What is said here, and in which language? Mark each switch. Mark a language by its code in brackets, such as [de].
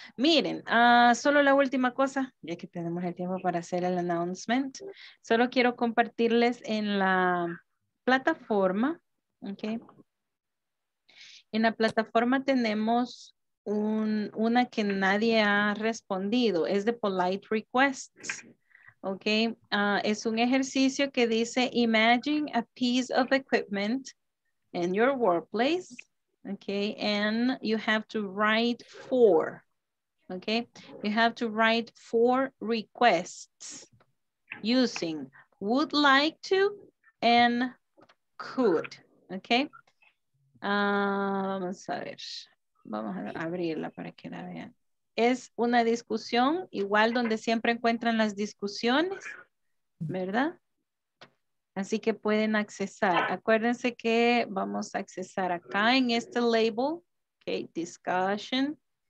[es] Miren, solo la última cosa, ya que tenemos el tiempo para hacer el announcement. Solo quiero compartirles en la plataforma, ¿ok? En la plataforma tenemos una que nadie ha respondido. Es de Polite Requests. [en] Ok, [es] es un ejercicio que dice, [en] imagine a piece of equipment in your workplace, ok, and you have to write 4, ok, you have to write 4 requests using would like to and could, ok. [es] Vamos a ver, vamos a abrirla para que la vean. Es una discusión, igual donde siempre encuentran las discusiones, ¿verdad? Así que pueden accesar. Acuérdense que vamos a accesar acá en este label, okay, discussion.